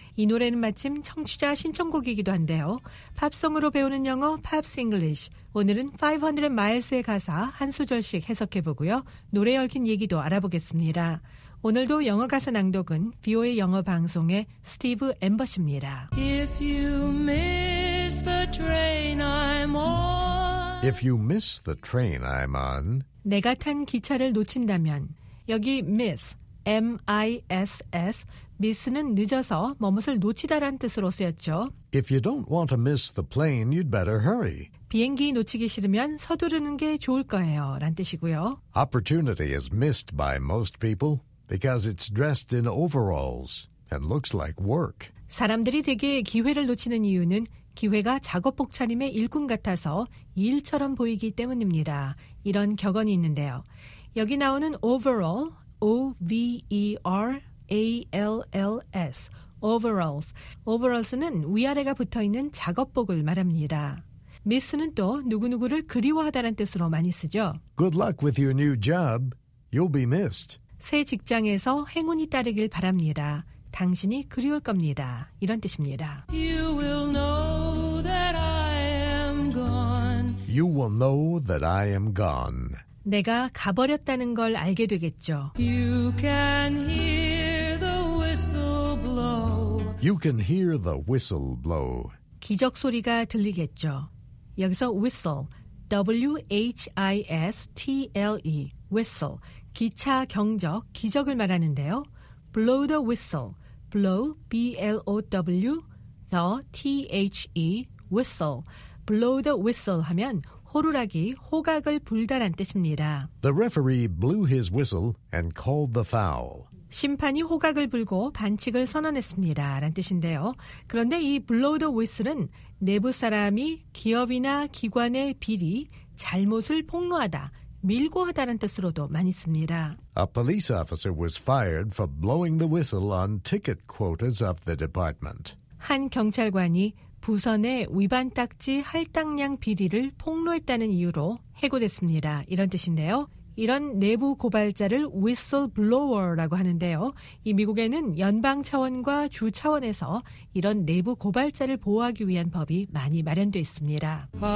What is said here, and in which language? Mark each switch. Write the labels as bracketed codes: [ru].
[ko] 이 노래는 마침 청취자 신청곡이기도 한데요. 팝송으로 배우는 영어 팝스 잉글리쉬. 오늘은 500 Miles의 가사 한 소절씩 해석해보고요. 노래 얽힌 얘기도 알아보겠습니다. 오늘도 영어 가사 낭독은 VOA 영어 방송의 스티브 앰버시입니다. [en] If you miss the train I'm on If you miss the train I'm on [ko] 내가 탄 기차를 놓친다면 여기 miss, M-I-S-S miss는 늦어서 뭐뭇을 놓치다란 뜻으로 쓰였죠. [en] If you don't want to miss the plane, you'd better hurry. [ko] 비행기 놓치기 싫으면 서두르는 게 좋을 거예요. 란 뜻이고요. [en] Opportunity is missed by most people because it's dressed in overalls and looks like work. [ko] 사람들이 대개 기회를 놓치는 이유는 기회가 작업복 차림의 일꾼 같아서 일처럼 보이기 때문입니다. 이런 격언이 있는데요. 여기 나오는 overall, O-V-E-R-A-L-L-S, overalls. overalls는 위아래가 붙어있는 작업복을 말합니다. Miss는 또 누구누구를 그리워하다는 뜻으로 많이 쓰죠. [en] Good luck with your new job. You'll be missed. [ko] 새 직장에서 행운이 따르길 바랍니다. 당신이 그리울 겁니다. 이런 뜻입니다. [en] You will know that I am gone. You will know that I am gone. [ko] 내가 가버렸다는 걸 알게 되겠죠. [en] You can hear the whistle blow. You can hear the whistle blow. [ko] 기적 소리가 들리겠죠. 여기서 whistle, W-H-I-S-T-L-E, whistle, 기차, 경적, 기적을 말하는데요. [en] Blow the whistle, blow, B-L-O-W, the, T-H-E, whistle. [ko] Blow the whistle 하면 호루라기, 호각을 불다란 뜻입니다. [en] The referee blew his whistle and called the foul. [ko] 심판이 호각을 불고 반칙을 선언했습니다. 라는 뜻인데요. 그런데 이 blow the whistle은 내부 사람이 기업이나 기관의 비리, 잘못을 폭로하다, 밀고 하다는 뜻으로도 많이 씁니다. [en] A police officer was fired for blowing the whistle on ticket quotas of the department. [ko] 한 경찰관이 부서 내 위반 딱지 할당량 비리를 폭로했다는 이유로 해고됐습니다. 이런 뜻인데요. 이런 내부 고발자를 whistleblower라고 하는데요. 이 미국에는 연방 차원과 주 차원에서 이런 내부 고발자를 보호하기 위한 법이 많이 마련돼 있습니다.